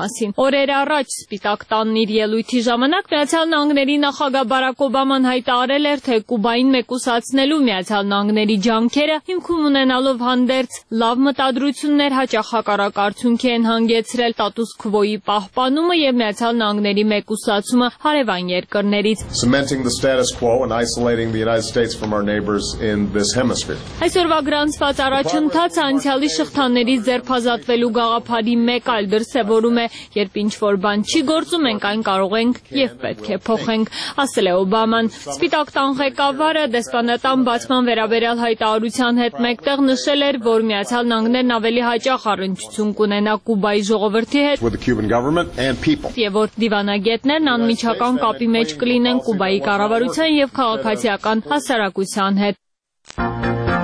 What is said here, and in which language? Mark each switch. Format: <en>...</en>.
<hy>մասին։ Օրեր առաջ Սպիտակ տանն իր ելույթի ժամանակ Միացյալ Նահանգների նախագահ Բարակ Օբաման հայտարել էր, թե Կուբային մեկուսացնելու Միացյալ Նահանգների ջանքերը հիմքում ունենալով հանդերձ լավ մտադրություններ հաճախակարակ արդյունքի են հանգեցրել տատուս քվոյի պահպանումը եւ Միացյալ Նահանգների մեկուսացումը հարևան երկրներից։</hy> <en>Cementing the status quo and isolating the United States from our neighbors in this hemisphere.</en> <hy>Այսօրվա գրանցված առաջընթաց անցյալի շղթաններից ձերբազատվելու գաղափարի մեկ այլ դրսևորում է, երբ ինչ-որ բան չի գործում, մենք այն կարող ենք եւ պետք է փոխենք, ասել է Օբաման։ Սպիտակ տան ղեկավարը դեսպանատան բացման վերաբերյալ հայտարարության հետ մեկտեղ նշել էր, որ Միացյալ Նահանգներն ավելի հաճախ առնչություն կունենա Կուբայի ժողովրդի հետ եւ որ դիվանագետներն անմիջական կապի մեջ կլինեն Կուբայի կառավարության եւ քաղաքացիական հասարակության հետ։</hy>